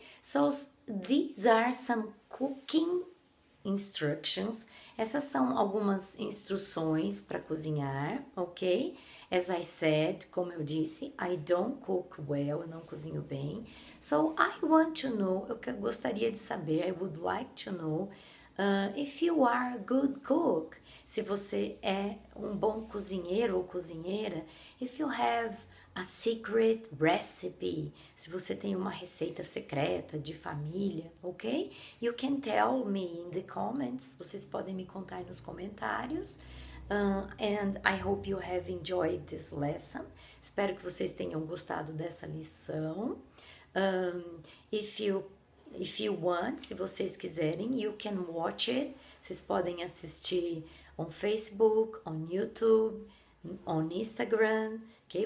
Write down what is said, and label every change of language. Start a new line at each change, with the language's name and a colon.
English: So, these are some cooking instructions.
Portuguese: Essas são algumas instruções para cozinhar, ok?
English: As I said,
Portuguese: como eu disse,
English: I don't cook well,
Portuguese: eu não cozinho bem.
English: So, I want to know,
Portuguese: eu gostaria de saber,
English: I would like to know, if you are a good cook,
Portuguese: se você é um bom cozinheiro ou cozinheira,
English: if you have a secret recipe,
Portuguese: se você tem uma receita secreta de família, ok?
English: You can tell me in the comments,
Portuguese: vocês podem me contar nos comentários.
English: And I hope you have enjoyed this lesson.
Portuguese: Espero que vocês tenham gostado dessa lição.
English: If you want,
Portuguese: se vocês quiserem,
English: you can watch it.
Portuguese: Vocês podem assistir
English: on Facebook, on YouTube, on Instagram,
Portuguese: ok?